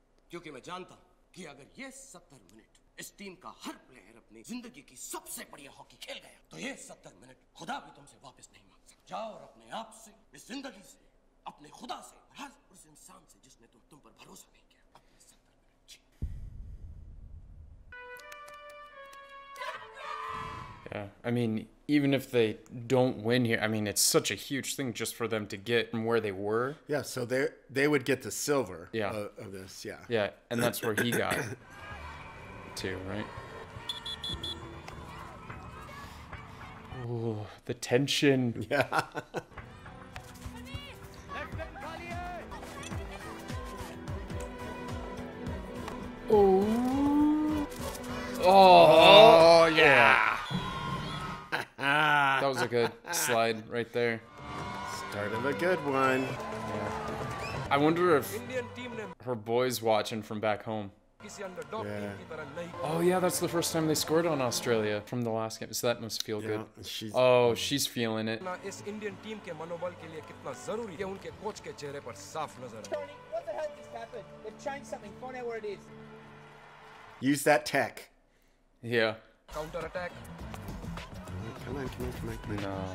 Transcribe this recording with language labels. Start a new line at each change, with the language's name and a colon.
Hindi: क्योंकि मैं जानता कि अगर ये 70 मिनट इस टीम का हर प्लेयर अपनी जिंदगी की सबसे बढ़िया हॉकी खेल गया, तो ये 70 मिनट खुदा भी तुमसे वापस नहीं मांग सकता. जाओ और अपने आप से, इस जिंदगी से, अपने खुदा से, हर उस इंसान से जिसने तुम पर भरोसा नहीं किया, अपने 70 minute ji.
English: Yeah, I mean, even if they don't win here, I mean, it's such a huge thing just for them to get from where they were. Yeah, so they would get the silver of this, yeah. Yeah, and that's where he got it. Too, right? Ooh, the tension. Yeah. Ooh. Oh yeah. That was a good slide right there. Start of a good one. Yeah. I wonder if her boy's watching from back home. Yeah. Oh yeah, that's the first time they scored on Australia from the last game, so that must feel good. Oh, she's feeling it.
Hindi: इस Indian team के मनोबल के लिए कितना जरूरी है उनके coach के चेहरे पर साफ नजर आ.
English: Use that tech. Yeah. Counter attack. Come on. No.